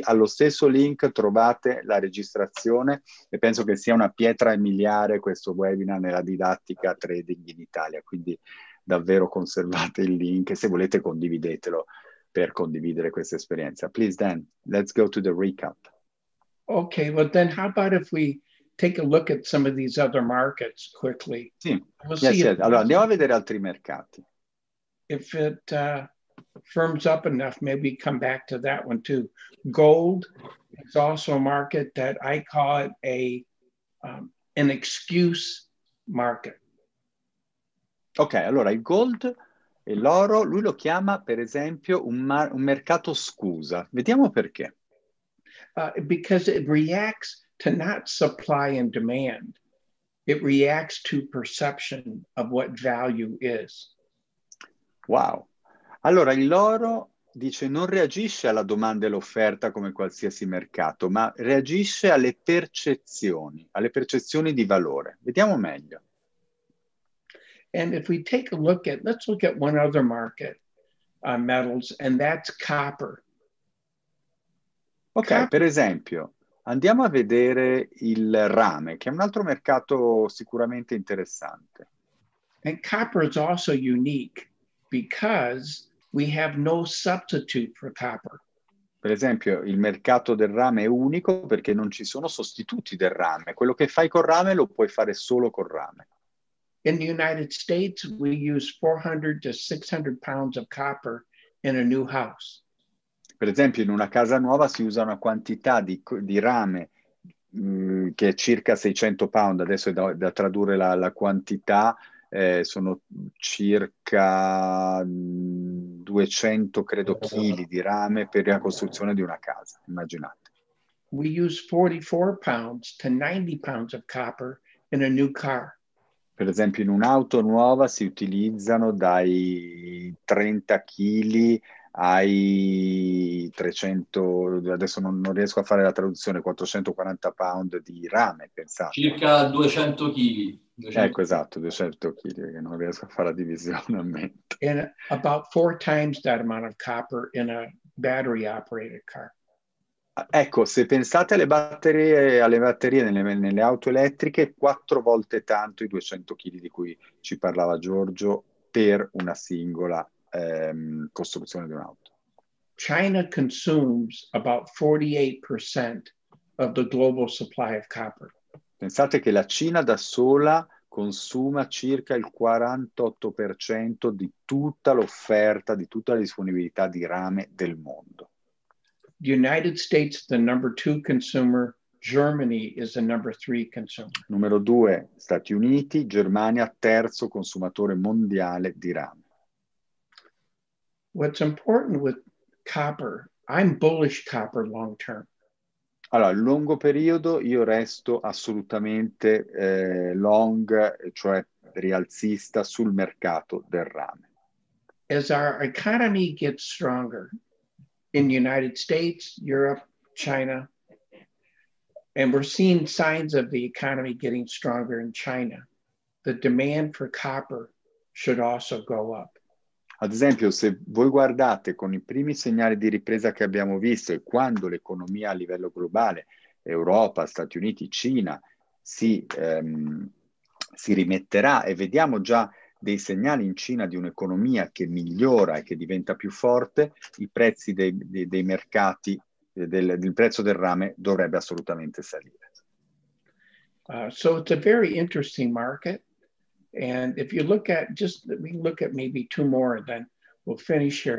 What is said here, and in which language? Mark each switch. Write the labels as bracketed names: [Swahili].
[Italian] Allo stesso link trovate la registrazione e penso che sia una pietra miliare questo webinar nella didattica trading in Italia, quindi... Davvero conservate il link e se volete condividetelo per condividere questa esperienza. [English] Please, Dan, let's go to the recap. Okay, well then, how about if we take a look at some of these other markets quickly? [Italian] Sì. Allora, andiamo a vedere altri mercati. [English] If it firms up enough, maybe come back to that one too. Gold is also a market that I call it an excuse market. [Italian] Ok, allora il gold e l'oro, lui lo chiama per esempio un mercato scusa. Vediamo perché. [English] Because it reacts to not supply and demand. It reacts to perception of what value is. Wow. [Italian] Allora l'oro dice non reagisce alla domanda e all'offerta come qualsiasi mercato, ma reagisce alle percezioni di valore. Vediamo meglio. [English] And if we take a look at, let's look at one other market, metals, and that's copper. [Italian] Ok, per esempio, andiamo a vedere il rame, che è un altro mercato sicuramente interessante. [English] And copper is also unique because we have no substitute for copper. [Italian] Per esempio, il mercato del rame è unico perché non ci sono sostituti del rame. Quello che fai col rame lo puoi fare solo col rame. [English] In the United States, we use 400 to 600 pounds of copper in a new house. [Italian] Per esempio, in una casa nuova si usa una quantità di rame che è circa 600 pound. Adesso è da tradurre la quantità, sono circa 200, credo, chili di rame per la costruzione di una casa. Immaginate. [English] We use 44 pounds to 90 pounds of copper in a new car. [Italian] Per esempio, in un'auto nuova si utilizzano dai 30 kg ai 300, adesso non riesco a fare la traduzione, 440 pound di rame, pensate. Circa 200 kg. Ecco, esatto, 200 kg, che non riesco a fare la divisione a mente. [English] And about four times that amount of copper in a battery-operated car. [Italian] Ecco, se pensate alle batterie nelle auto elettriche, 4 volte tanto i 200 kg di cui ci parlava Giorgio per una singola costruzione di un'auto. [English] China consumes about 48% of the global supply of copper. [Italian] Pensate che la Cina da sola consuma circa il 48% di tutta l'offerta, di tutta la disponibilità di rame del mondo. [English] The United States, the number two consumer. Germany is the number three consumer. [Italian] Numero due, Stati Uniti. Germania, terzo consumatore mondiale di rame. [English] What's important with copper, I'm bullish copper long term. [Italian] Allora, lungo periodo io resto assolutamente long, cioè rialzista sul mercato del rame. [English] As our economy gets stronger, in the United States, Europe, China, and we're seeing signs of the economy getting stronger in China, the demand for copper should also go up. [Italian] Ad esempio, se voi guardate con i primi segnali di ripresa che abbiamo visto e quando l'economia a livello globale, Europa, Stati Uniti, Cina, si rimetterà e vediamo già dei segnali in Cina di un'economia che migliora e che diventa più forte, i prezzi dei mercati, del prezzo del rame dovrebbe assolutamente salire. [English] So it's a very interesting market. And if you look at just, let me look at maybe two more and then we'll finish here.